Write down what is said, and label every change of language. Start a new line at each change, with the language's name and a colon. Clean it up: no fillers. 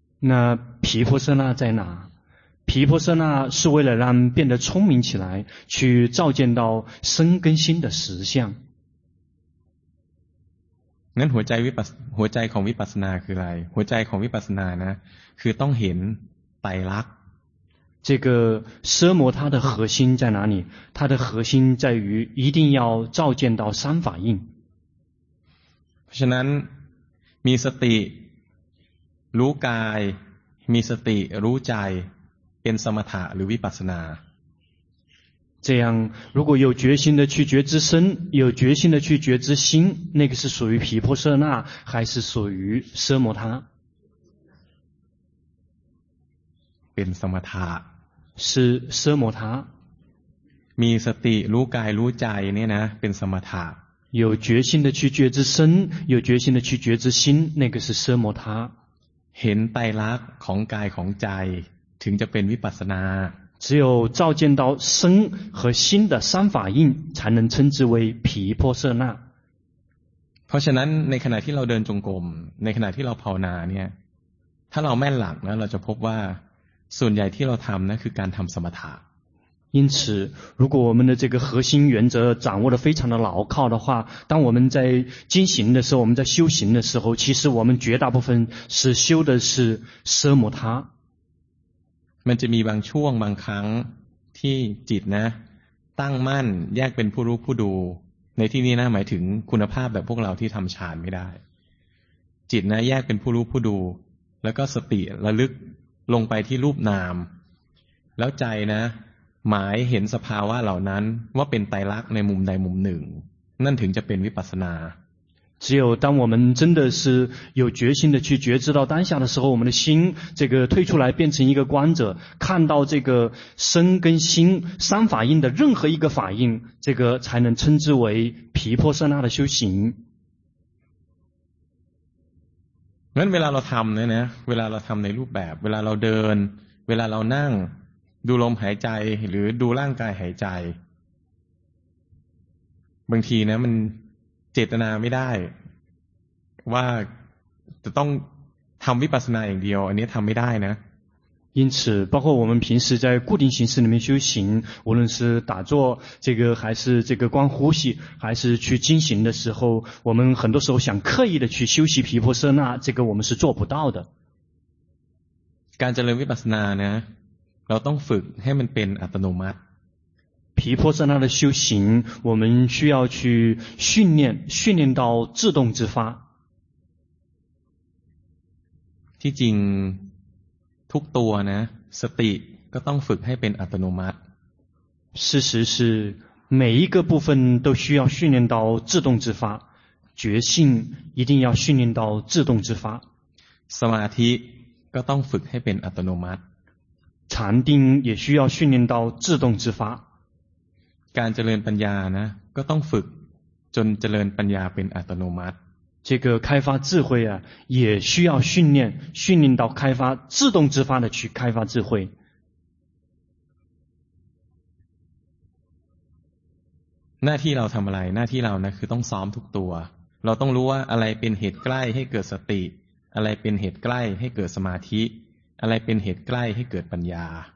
Chinese: 那毗婆舍那在哪毗婆舍那是为了让变得聪明起来去照见到身跟心的实相
Thai: งั้นหัวใจวิปัสหัวใจของวิปัสสนาคืออะไรหัวใจของวิปัสสนานะคือต้องเห็นไตรลักษณ์
Chinese: 这个奢摩它的核心在哪里它的核心在于一定要照见到三法印
Thai: ฉะนั้นมีสติรู้กายมีสติรู้ใจเป็นสมถะหรือวิปัสสนา
Chinese: 这样如果有决心的去觉知身有决心的去觉知心那个是属于毗婆舍那还是属于奢摩他
Thai: เป็นสมถะ
Chinese: 是奢摩他
Thai: มีสติรู้กายรู้ใจเนี่ยนะเป็นสมถะ
Chinese: 有决心的去觉知身有决心的去觉知心那个是奢摩他
Thai: เห็นไตรลักษณ์ของกายของใจถึงจะเป็นวิปัสสนา
Chinese: 只有照见到身和心的三法印才能称之为毗婆舍那
Thai: เพราะฉะนั้นในขณะที่เราเดินจงกรมในขณะที่เราภาวนาเนี่ยถ้าเราแม่นหลักนะเราจะพบว่าส่วนใหญ่ที่เราทำนะคือการทำสมถะ
Chinese: 因此如果我们的这个核心原则掌握得非常的牢靠的话当我们在进行的时候我们在修行的时候其实我们绝大部分是修的是奢摩他
Thai: มันจะมีบางช่วงบางครั้งที่จิตนะตั้งมั่นแยกเป็นผู้รู้ผู้ดูในที่นี้นะหมายถึงคุณภาพแบบพวกเราที่ทำฌานไม่ได้จิตนะแยกเป็นผู้รู้ผู้ดูแล้วก็สติระลึกลงไปที่รูปนามแล้วใจนะหมายเห็นสภาวะเหล่านั้นว่าเป็นไตรลักษณ์ในมุมใดมุมหนึ่งนั่นถึงจะเป็นวิปัสสนา
Chinese: 只有当我们真的是有决心的去觉知到当下的时候我们的心这个退出来变成一个观者看到这个身跟心三法印的任何一个法印这个才能称之为毗婆舍那的修行
Thai: งั้นเวลาเราทำเนี่ยนะเวลาเราทำในรูปแบบเวลาเราเดินเวลาเรานั่งดูลมหายใจหรือดูร่างกายหายใจบางทีนะมันเจตนาไม่ได้ว่าจะต้องทำวิปัสสนาอย่างเดียวอันนี้ทำไม่ได้นะ
Chinese: 因此包括我们平时在固定形式里面修行无论是打坐这个还是这个观呼吸还是去进行的时候我们很多时候想刻意的去修习毗婆舍那这个我们是做不到的
Thai: การเจริญวิปัสสนานะเราต้องฝึกให้มันเป็นอัตโนมัติ
Chinese: 毗婆舍那的修行我们需要去训练到自动自发
Thai: ที่จริงทุกตัวนะสติก็ต้องฝึกให้เป็นอัตโนมัติ
Chinese: 事实是每一个部分都需要训练到自动自发觉性一定要训练到自动自发
Thai: สมาธิก็ต้องฝึกให้เป็นอัตโนมัติ
Chinese: 禅定也需要训练到自动自发
Thai: การเจริญปัญญานะก็ต้องฝึกจนเจริญปัญญาเป็นอัตโนมัติ
Chinese: 这个开发智慧啊也需要训练到开发自动自发的去开发智慧
Thai: หน้าที่เราทำอะไรหน้าที่เรานะคือต้องซ้อมทุกตัวเราต้องรู้ว่าอะไรเป็นเหตุใกล้ให้เกิดสติอะไรเป็นเหตุใกล้ให้เกิดสมาธิอะไรเป็นเหตุใกล้ให้เกิดปัญญา